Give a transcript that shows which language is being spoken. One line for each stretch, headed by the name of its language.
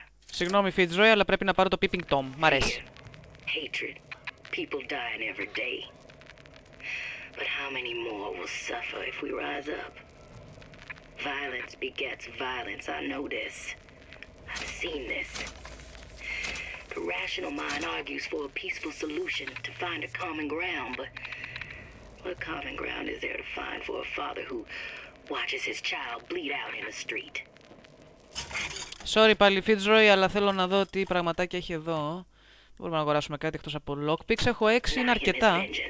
Greek: Συγγνώμη Fitzroy, αλλά πρέπει να πάρω το Peeping Tom. Μ' αρέσει.
English: Hatred. People dying every day. But how many more will suffer if we rise up? Violence begets violence, I know this. I've seen this. The rational mind argues for a peaceful solution to find a common ground, but what common ground is there to find for a father who watches his child bleed out in the street. Sorry,
Greek: πάλι Fitzroy, αλλά θέλω να δω τι πραγματάκια έχει εδώ. Μπορούμε να αγοράσουμε κάτι εκτός από lockpicks. Έχω 6, είναι αρκετά.